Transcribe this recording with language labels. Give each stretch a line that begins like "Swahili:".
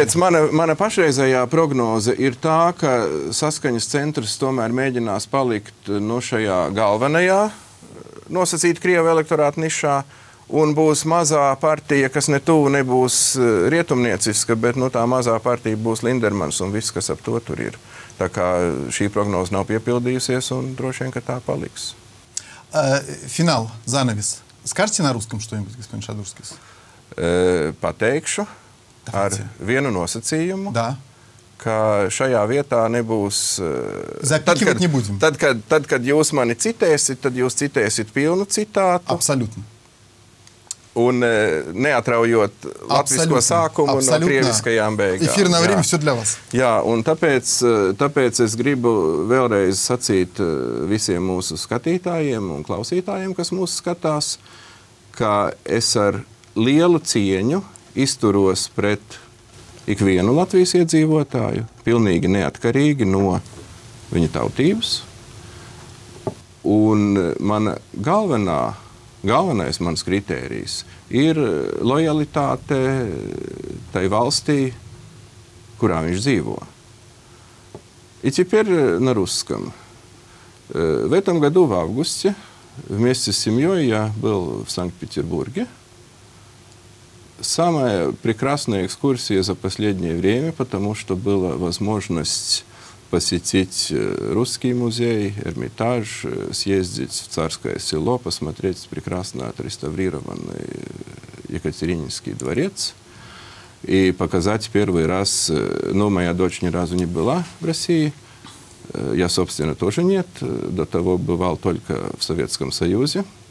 Latvian: Tāpēc mana pašreizējā prognoze ir tā, ka saskaņas centrs tomēr mēģinās palikt no šajā galvenajā nosacīt Krievu elektorāta nišā un būs mazā partija, kas ne tuvu nebūs rietumnieciska, bet nu tā mazā partija būs Lindermans un viss, kas ap to tur ir. Tā kā šī prognoze nav piepildījusies un droši vien, ka tā paliks.
Russian: Final, zanavis. Скажите на русском что-нибудь, господин Шадурскис?
Latvian: Patekšu
Russian: Давайте.
Latvian: Ar vienu nosacījumu.
Russian: Да.
Latvian: Ka šajā vietā nebūs...
Russian: Запикивать не будем.
Latvian: Tad, kad jūs mani citēsit, tad jūs citēsit pilnu citātu.
Russian: Absolutno.
Latvian: Un neatraujot latvisko sākumu no krieviskajām beigām.
Russian: Efirnā vrīmi visu для вас.
Latvian: Jā, un tāpēc es gribu vēlreiz sacīt visiem mūsu skatītājiem un klausītājiem, kas mūs skatās, ka es ar lielu cieņu izturos pret ikvienu Latvijas iedzīvotāju, pilnīgi neatkarīgi no viņa tautības. Un mana galvenais mans kritērijs ir lojalitāte tai valstī, kurā viņš dzīvo.
Russian: И теперь на русском. В этом году в августе вместе с семьёй я был в Санкт-Петербурге. Самая прекрасная экскурсия за последнее время, потому что была возможность посетить русский музей, Эрмитаж, съездить в Царское село, посмотреть прекрасно отреставрированный Екатерининский дворец и показать первый раз, но моя дочь ни разу не была в России, я, собственно, тоже нет, до того бывал только в Советском Союзе.